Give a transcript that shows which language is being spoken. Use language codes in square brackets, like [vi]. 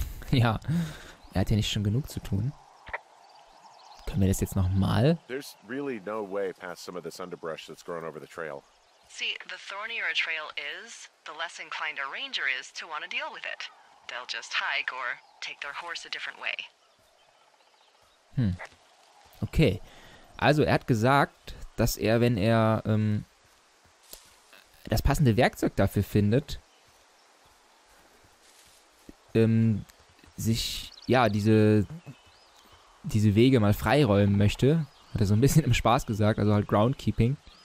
[de] Ja, er hat ja nicht schon genug zu tun. Können wir das jetzt nochmal? [en] There's really no way past some of this underbrush that's grown over the trail. See, the thornier a trail is, the less inclined a ranger is to want to deal with it. They'll just hike or take their horse a different way. Okay. [de] Also, er hat gesagt, dass er, wenn er das passende Werkzeug dafür findet, sich, ja, diese diese Wege mal freiräumen möchte. Hat er so ein bisschen im Spaß gesagt, also halt Groundkeeping.